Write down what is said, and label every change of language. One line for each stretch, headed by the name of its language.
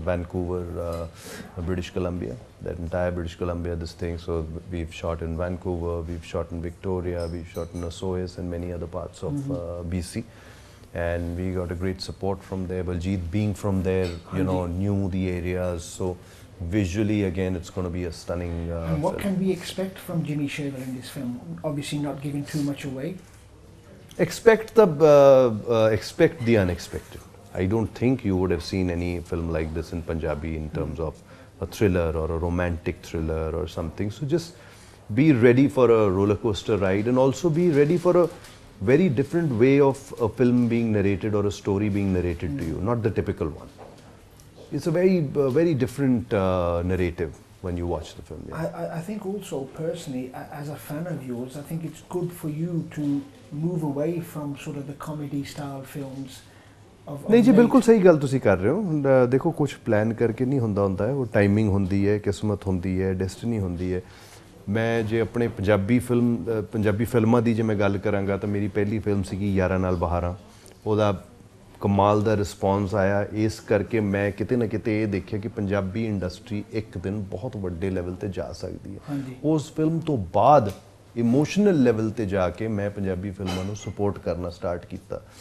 English: Vancouver British Columbia that entire British Columbia this thing so we have shot in Vancouver we have shot in Victoria we have shot in Osoyoos and many other parts of BC and we got a great support from there Baljeet being from there you know knew the areas so visually again it's going to be a stunning and what film. Can we expect from Jimmy Shergill in this film obviously not giving too much away expect the unexpected I don't think you would have seen any film like this in Punjabi in terms of a thriller or a romantic thriller or something so just be ready for a roller coaster ride and also be ready for a very different way of a film being narrated or a story being narrated to you not the typical one It's a very, very different narrative when you watch the film. Yeah. I think also, personally, as a fan of yours, I think it's good for you to move away from sort of the comedy-style films.
Punjabi: ਨਹੀਂ ਜੀ ਬਿਲਕੁਲ ਸਹੀ ਗੱਲ ਤੁਸੀਂ ਕਰ ਰਹੇ ਹੋ ਦੇਖੋ ਕੁਛ ਪਲਾਨ ਕਰਕੇ ਨਹੀਂ ਹੁੰਦਾ ਹੁੰਦਾ ਉਹ ਟਾਈਮਿੰਗ ਹੁੰਦੀ ਹੈ ਕਿਸਮਤ ਹੁੰਦੀ ਹੈ ਡੈਸਟੀਨੀ ਹੁੰਦੀ ਹੈ ਮੈਂ ਜੇ ਆਪਣੇ ਪੰਜਾਬੀ ਫਿਲਮਾਂ ਦੀ ਜੇ ਮੈਂ ਗੱਲ ਕਰਾਂਗਾ ਤਾਂ ਮੇਰੀ ਪਹਿਲੀ ਫਿਲਮ ਸੀਗੀ ਯਾਰਾਂ ਨਾਲ ਬਹਾਰਾਂ ਉਹਦਾ ਕਮਾਲ ਦਾ ਰਿਸਪੋਂਸ ਆਇਆ ਇਸ ਕਰਕੇ ਮੈਂ ਕਿਤੇ ਨਾ ਕਿਤੇ ਇਹ ਦੇਖਿਆ ਕਿ ਪੰਜਾਬੀ ਇੰਡਸਟਰੀ ਇੱਕ ਦਿਨ ਬਹੁਤ ਵੱਡੇ ਲੈਵਲ 'ਤੇ ਜਾ ਸਕਦੀ ਹੈ ਉਸ ਫਿਲਮ ਤੋਂ ਬਾਅਦ ਇਮੋਸ਼ਨਲ ਲੈਵਲ 'ਤੇ ਜਾ ਕੇ ਮੈਂ ਪੰਜਾਬੀ ਫਿਲਮਾਂ ਨੂੰ ਸਪੋਰਟ ਕਰਨਾ ਸਟਾਰਟ ਕੀਤਾ